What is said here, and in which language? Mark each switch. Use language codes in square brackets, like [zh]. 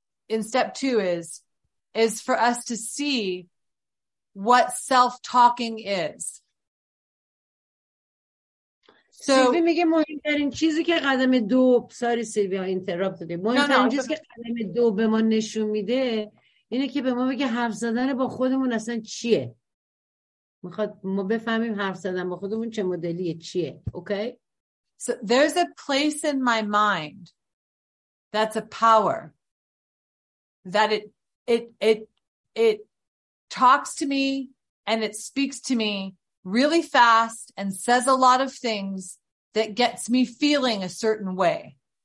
[en] is for us to see what self-talking is. [fa] So سیلوی میگه مهمترین چیزی که قدم دو ساری سیلوی ها اینترابت داده مهمترین چیزی که قدم دو به ما نشون میده اینه که به ما بگه حرف زدن با خودمون اصلا چیه، میخواد ما بفهمیم حرف زدن با خودمون چه مدلیه چیه. [en] Okay So there's a place in my mind that's a power that it talks to me and it speaks to me really fast and says a lot of things that gets me feeling a certain way.